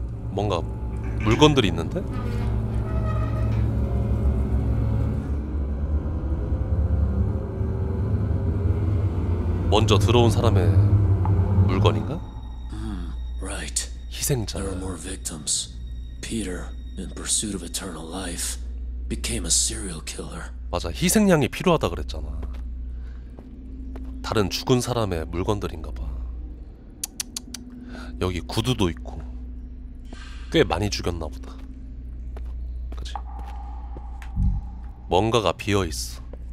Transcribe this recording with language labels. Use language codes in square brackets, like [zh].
[ko] 뭔가 물건들이 있는데? 먼저 들어온 사람의 물건인가? [en] Right. [ko] 희생자. [en] There are more victims. Peter, in pursuit of eternal life, became a serial killer. [ko] 맞아, 희생양이 필요하다 그랬잖아. 다른 죽은 사람의 물건들인가 봐. 여기 구두도 있고. 꽤 많이 죽였나 보다. 그치? 뭔가가 비어 있어.